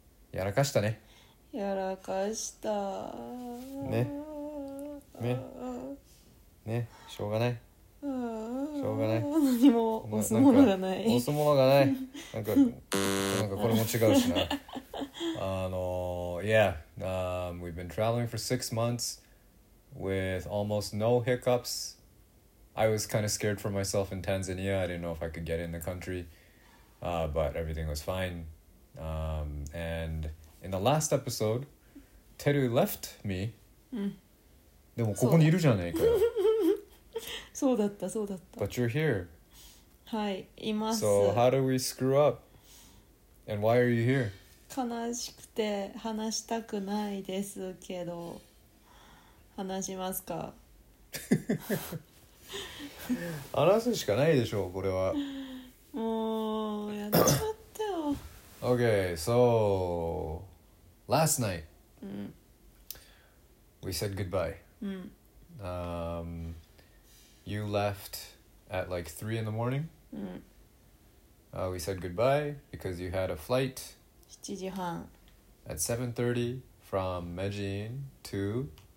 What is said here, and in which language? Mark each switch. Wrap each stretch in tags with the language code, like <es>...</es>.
<ja>やらかしたね。やらかしたね。ね、ね、しょうがない、しょうがない。何も押すものがない、押すものがない。なんかなんかこれも違うしな。</ja> <en>we've been traveling for 6 months with almost no hiccups. I was kind of scared for myself in Tanzania. I didn't know if I could get in the country, but everything was fine. And in the last episode, Teru left me.</en> <ja>でもここにいるじゃないかよ。そうだった、そうだった。</ja> <en>But you're here.</en> <ja>はい、います。</ja> <en>So how do we screw up? And why are you here?</en> <ja>悲しくて話したくないですけど、話しますか。話すしかないでしょう、これは。もうやっちゃったよ。</ja> <en>OK, so last night、we said goodbye、you left at like 3 in the morning、we said goodbye because you had a flight at 7:30 from Medellin to</en>